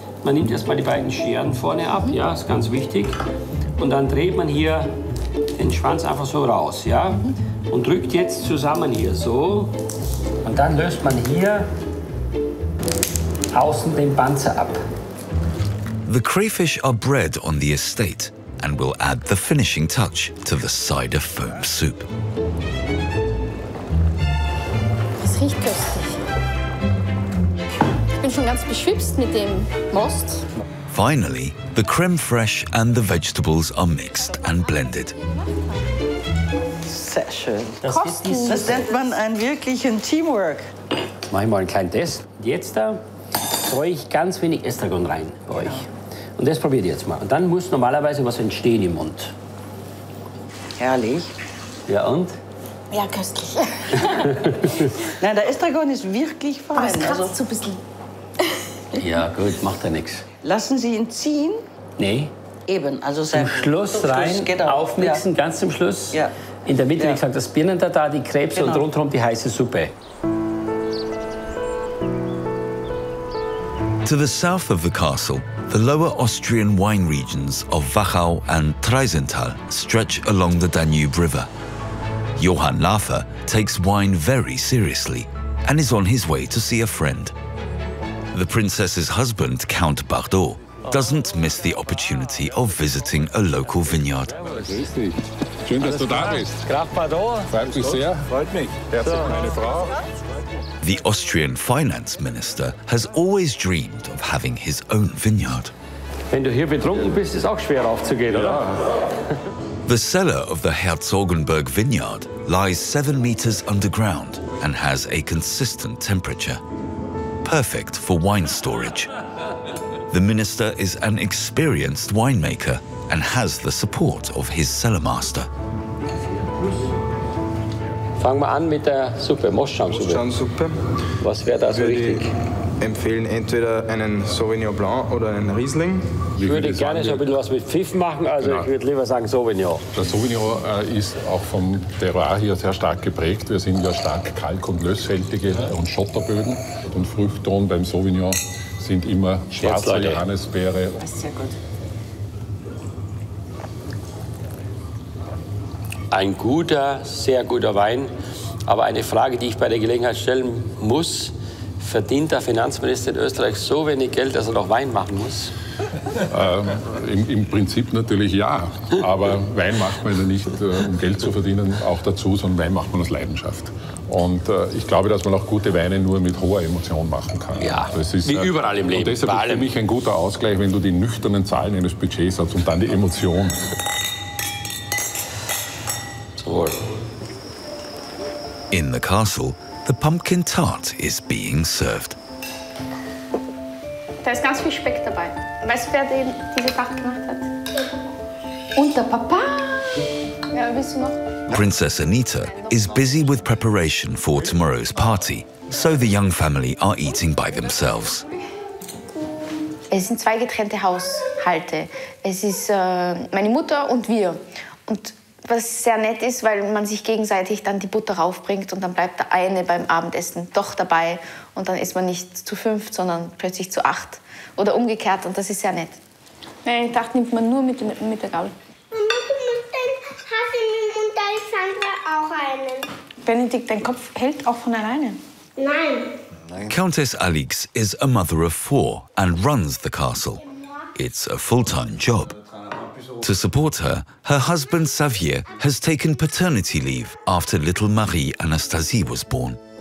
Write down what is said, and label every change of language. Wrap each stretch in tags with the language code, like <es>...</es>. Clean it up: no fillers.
<de>Man nimmt erst mal die beiden Scheren vorne ab, ja, ist ganz wichtig. Und dann dreht man hier den Schwanz einfach so raus, ja. Und drückt jetzt zusammen hier so. Und dann löst man hier außen den Panzer ab.</de> <en>The crayfish are bred on the estate and will add the finishing touch to the cider foam soup.</en> <de>riecht köstlich. Ich bin schon ganz beschwipst mit dem Most.</de> <en>Finally, the creme fraiche and the vegetables are mixed and blended.</en> <de>Sehr schön. Das nennt man ein wirklichen Teamwork. Mach ich mal einen kleinen Test. Jetzt da streue ich ganz wenig Estragon rein bei euch. Und das probiert ihr jetzt mal. Und dann muss normalerweise was entstehen im Mund. Herrlich. Ja, und? Ja, köstlich. Nein, der Estragon ist wirklich fein. Aber es kratzt so ein bisschen. Ja, gut, macht ja nichts. Lassen Sie ihn ziehen? Nee. Eben, also zum Schluss rein, aufmixen, ganz zum Schluss. Ja. In der Mitte, wie gesagt, das Birnentartar, die Krebs und rundherum die heiße Suppe.</de> <en>To the south of the castle, the lower Austrian wine regions of Wachau and Traisental stretch along the Danube River. Johann Lafer takes wine very seriously and is on his way to see a friend. The princess's husband, Count Bardot, doesn't miss the opportunity of visiting a local vineyard.</en> <de>Schön, dass du da bist. Graf Bardot. Freut mich sehr. Freut mich. Herzlich, meine Frau.</de> <en>The Austrian finance minister has always dreamed of having his own vineyard.</en> <de>Wenn du hier betrunken bist, ist auch schwer aufzugehen, oder?</de> <en>The cellar of the Herzogenburg vineyard lies 7 meters underground and has a consistent temperature, perfect for wine storage. The minister is an experienced winemaker and has the support of his cellar master.</en> <de>Fangen wir an mit der Suppe, Mostschaumsuppe. Mostschaumsuppe. Was wäre da so richtig? Ich empfehlen entweder einen Sauvignon Blanc oder einen Riesling. Ich würde gerne so ein bisschen was mit Pfiff machen, also ich würde lieber sagen Sauvignon. Der Sauvignon ist auch vom Terroir hier sehr stark geprägt. Wir sind ja stark kalk- und lösfältige und Schotterböden. Und Fruchtton beim Sauvignon sind immer schwarze Johannisbeere. Das ist sehr gut. Ein guter, sehr guter Wein. Aber eine Frage, die ich bei der Gelegenheit stellen muss: Verdient der Finanzminister in Österreich so wenig Geld, dass er noch Wein machen muss? Im Prinzip natürlich ja. Aber Wein macht man ja nicht, um Geld zu verdienen, auch dazu, sondern Wein macht man aus Leidenschaft. Und ich glaube, dass man auch gute Weine nur mit hoher Emotion machen kann. Ja, das ist, wie überall im Leben. Und deshalb ist für mich ein guter Ausgleich, wenn du die nüchternen Zahlen eines Budgets hast und dann die Emotion.</de> <en>In the castle, the pumpkin tart is being served.</en> <de>Da ist ganz viel Speck dabei. Weißt du, wer diese Tarte gemacht hat? Und der Papa! Ja, willst du noch?</de> <en>Princess Anita is busy with preparation for tomorrow's party, so the young family are eating by themselves.</en> <de>Es sind zwei getrennte Haushalte. Es ist meine Mutter und wir. Und was sehr nett ist, weil man sich gegenseitig dann die Butter raufbringt und dann bleibt der eine beim Abendessen doch dabei und dann ist man nicht zu fünft, sondern plötzlich zu acht oder umgekehrt und das ist sehr nett. Nein, ich dachte, nimmt man nur mit der Gabel. Und dann hast du mit dem Alexandra auch einen. Benedikt, dein Kopf hält auch von alleine? Nein.</de> <en>Countess Alix is a mother of four and runs the castle. It's a full-time job. To support her, her husband Xavier has taken paternity leave after little Marie Anastasie was born.</en>